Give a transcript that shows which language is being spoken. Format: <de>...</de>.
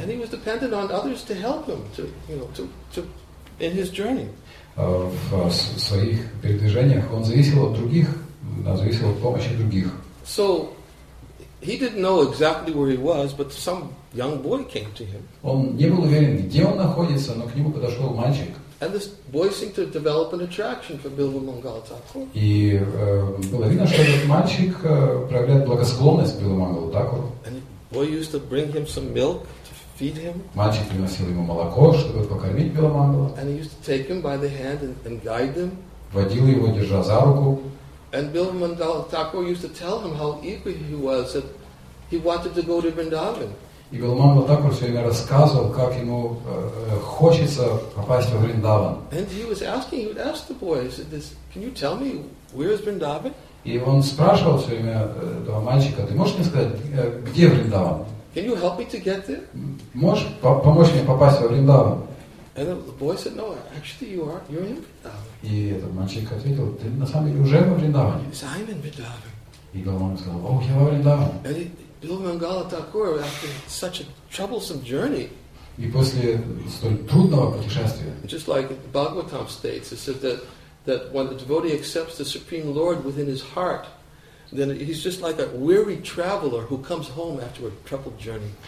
<en>And he was dependent on others to help him to in his journey.</en> <ru>В своих передвижениях он зависел от других, зависел от помощи других.</ru> <en>So he didn't know exactly where he was, but some young boy came to him.</en> <ru>Он не был уверен, где он находится, но к нему подошел мальчик.</ru> <en>And this boy seemed to develop an attraction for Bilwa Mangala Thakur.</en> <ru>И было видно, что этот мальчик проявляет благосклонность Билла Мангала Такуру.</ru> <en>And the boy used to bring him some milk to feed him.</en> <ru>Мальчик приносил ему молоко, чтобы покормить Билла Мангала.</ru> <en>And he used to take him by the hand and guide him.</en> <ru>Водил его, держа за руку.</ru> <en>And Bilwa Mangala Thakur used to tell him how eager he was that he wanted to go to Vrindavan.</en> <ru>И Билла Мангала Такур все время рассказывал, как ему хочется попасть в Вриндаван.</ru> <en>And he was asking, he would ask the boy, he said, this, can you tell me where is Vrindavan?</en> <ru>И он спрашивал все время этого мальчика, ты можешь мне сказать, где Вриндаван?</ru> <en>Can you help me to get there?</en> <ru>Можешь помочь мне попасть в Вриндаван?</ru> <en>And the boy said, no, actually you're in Vrindavan.</en> <ru>И этот мальчик ответил, ты на самом деле уже во Вриндаване.</ru> <en>I'm in Vrindavan.</en> <ru>И Билла Мангала сказал, ох, я во Вриндаване.</ru> <en>And Bilwa Mangala Thakur, after such a troublesome journey,</en> <ru>и после столь трудного путешествия,</ru> <en>just like Bhagavatam states, it says that when the devotee accepts the Supreme Lord within his heart, then he's just like a weary traveler who comes home after a troubled journey.</en>